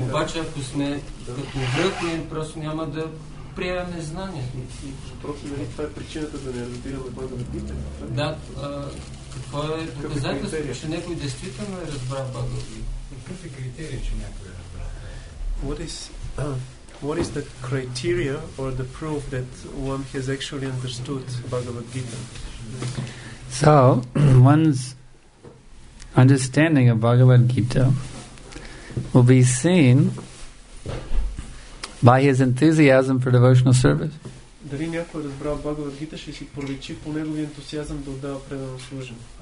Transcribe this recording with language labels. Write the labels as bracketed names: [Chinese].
[Bulgarian] обаче ако сме като връх, ние просто няма да приемаме знанието. Просто нали това е причината да не разбираме Бхагавад Гита? Да, какво е доказателството, че някой действително е разбрал Бхагавад Гита? Какъв е критерий, че някой е разбрал? [English] What is the criteria or the proof that one has actually understood Bhagavad Gita? So, one's understanding of Bhagavad Gita will be seen by his enthusiasm for devotional service. [Bulgarian] Дали някой разбрал Бхагавад Гита, ще си проличи по неговия ентусиазъм да отдава предано служене.